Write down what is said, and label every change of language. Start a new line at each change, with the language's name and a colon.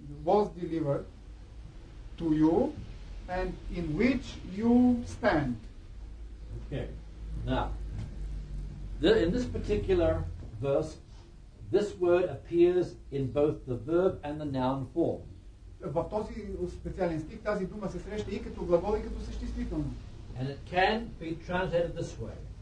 English: was delivered to you, and in which you stand. Okay. Now, in this particular verse, this word appears in both the verb and the noun form.
Bulgarian: В този специален стих тази дума се среща и като глагол, и като съществително.
English: And it can be translated this way.